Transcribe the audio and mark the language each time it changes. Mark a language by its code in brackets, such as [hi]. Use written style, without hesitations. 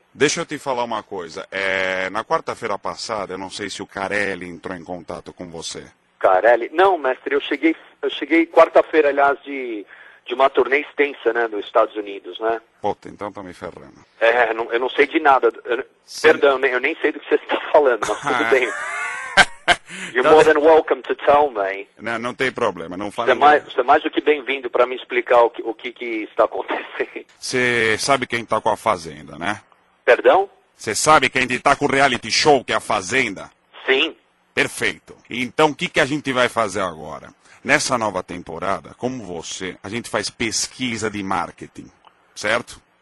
[pt] Deixa eu te falar uma coisa. Na quarta-feira passada, eu não sei se o Carelli entrou em contato com você. Carelli? Não, mestre, eu cheguei quarta-feira, aliás, de uma turnê extensa, né, nos Estados Unidos, né? Puta, então tá me ferrando. É, não, eu não sei de nada. Perdão, eu nem sei do que você está falando, mas tudo bem. [en] You're more than welcome to tell me. [pt] Não, não tem problema, não fala você é inglês. mais, você é mais do que bem-vindo para me explicar o que está acontecendo. Você sabe quem tá com a Fazenda, né? Perdão? Você sabe quem tá com o reality show, que é a Fazenda? Sim. Perfeito. Então, o que que a gente vai fazer agora? Nessa nova temporada, como você, a gente faz pesquisa de marketing, certo?